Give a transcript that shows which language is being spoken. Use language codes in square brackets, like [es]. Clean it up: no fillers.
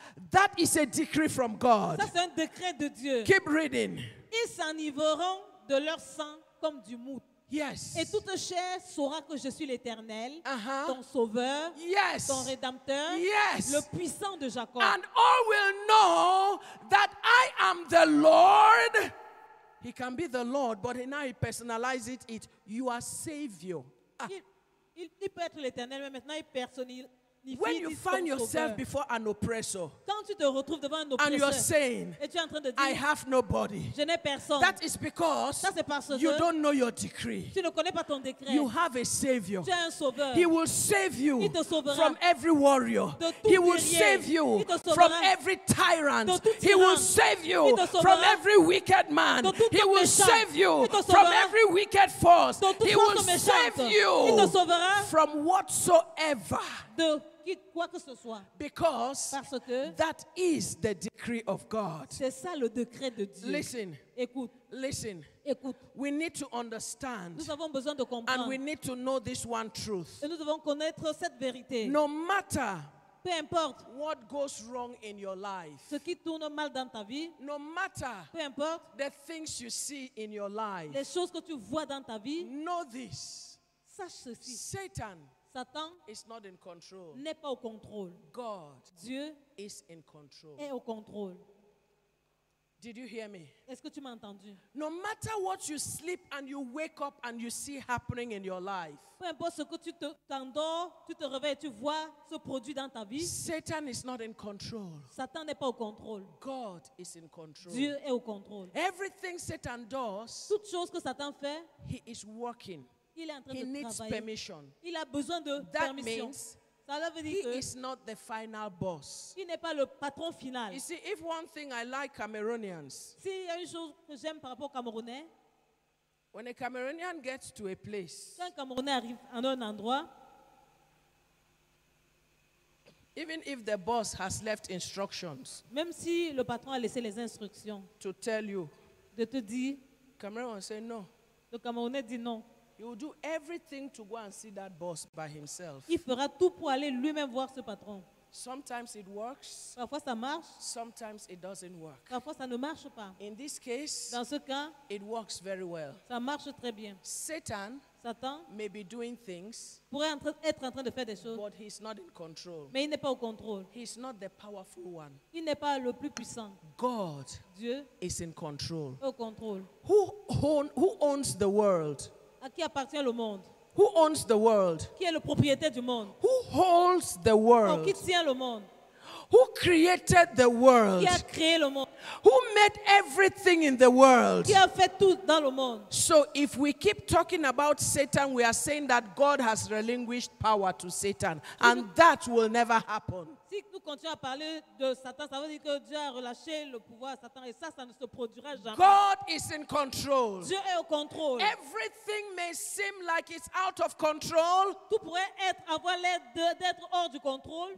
[en] That is a decree from God. [fr] Ça, c'est un décret de Dieu. [en] Keep reading. [fr] Ils s'enivreront de leur sang comme du mout. [en] Yes. [fr] Et toute chair saura que je suis l'Éternel, ton Sauveur, [en] yes, [fr] ton Rédempteur, [en] yes, [fr] le Puissant de Jacob. [en] And all will know that I am the Lord. He can be the Lord, but now he personalizes it. You are Savior. [fr] Il peut être l'Éternel, mais maintenant il personnifie. [en] When you find yourself before an oppressor, [fr] quand tu te retrouves devant un oppresseur, [en] and you're saying, [fr] et tu es en train de dire, [en] I have nobody, [fr] je n'ai personne, [en] that is because [fr] ça, c'est parce [en] you [fr] que [en] don't know your decree. [fr] Tu ne connais pas ton décret. [en] You have a savior. [fr] Tu as un sauveur. [en] He will save you. [fr] Il te sauvera [en] from every warrior. [fr] De tout [en] he will save you from every tyrant. [fr] De tout tyran. [en] He will save you from every wicked man. [fr] De tout [en] he will [fr] méchant. [en] Save you from every wicked force. [fr] De tout [en] he will save you from whatsoever. [fr] De quoi que ce soit. [en] Because [fr] parce que [en] that is the decree of God. [fr] C'est ça le décret de Dieu. [en] Listen. [fr] Écoute. [en] Listen. [fr] Écoute. [en] We need to understand. [fr] Nous avons besoin de comprendre. [en] And we need to know this one truth. [fr] Et nous devons connaître cette vérité. [en] No matter [fr] peu importe [en] what goes wrong in your life. [fr] Ce qui tourne mal dans ta vie. [en] No matter [fr] peu importe [en] the things you see in your life. [fr] Les choses que tu vois dans ta vie. [en] Know this. [fr] Sache ceci. [en] Satan. [fr] Satan [en] is not in control. [fr] N'est pas au contrôle. [en] God [fr] Dieu [en] is in control. [fr] Est au contrôle. [en] Did you hear me? [fr] Est-ce que tu m'as entendu? [en] No matter what you sleep and you wake up and you see happening in your life. [fr] Peu importe ce que tu t'endors, tu te réveilles, tu vois ce produit dans ta vie. [en] Satan is not in control. [fr] Satan n'est pas au contrôle. [en] God is in control. [fr] Dieu est au contrôle. [en] Everything Satan does, [fr] toute chose que Satan fait, [en] he is working. [fr] Il est en train [en] he [fr] de [en] needs [fr] travailler. [en] Permission. [fr] Il a besoin de [en] that [fr] permission. [en] Means [fr] ça veut dire [en] he [fr] que [en] is not the final boss. [fr] Il n'est pas le patron final. [en] You see, if one thing I like Cameroonians, [fr] si il y a une chose que j'aime par rapport aux Camerounais, [en] when a Cameroonian gets to a place, [fr] quand un Camerounais arrive à un endroit, [en] even if the boss has left instructions, [fr] même si le patron a laissé les instructions, [en] to tell you, [fr] de te dire, [en] Cameroon say no. [fr] Le Camerounais dit non. [en] He will do everything to go and see that boss by himself. [fr] Il fera tout pour aller lui-même voir ce patron. [en] Sometimes it works. [fr] Parfois ça marche. [en] Sometimes it doesn't work. [fr] Parfois ça ne marche pas. [en] In this case, [fr] dans ce cas, [en] it works very well. [fr] Ça marche très bien. [en] Satan, [fr] Satan [en] may be doing things, [fr] pourrait être en train de faire des choses, [en] but he's not in control. [fr] Mais il n'est pas au contrôle. [en] He's not the powerful one. [fr] Il n'est pas le plus puissant. [en] God, [fr] Dieu, [en] is in control. [fr] Au contrôle. [en] Who owns the world? [fr] À qui appartient le monde? [en] Who owns the world? [fr] Qui est le propriétaire du monde? [en] Who holds the world? [fr] Qui tient le monde? [en] Who created the world? [fr] Qui a créé le monde? [en] Who made everything in the world? [fr] Qui a fait tout dans le monde? [en] So if we keep talking about Satan, we are saying that God has relinquished power to Satan, and that will never happen. [fr] Si nous continuons à parler de Satan, ça veut dire que Dieu a relâché le pouvoir à Satan et ça, ça ne se produira jamais. [en] God is in control. [fr] Dieu est au contrôle. [en] Everything may seem like it's out of control. [fr] Tout pourrait être avoir l'air d'être hors du contrôle.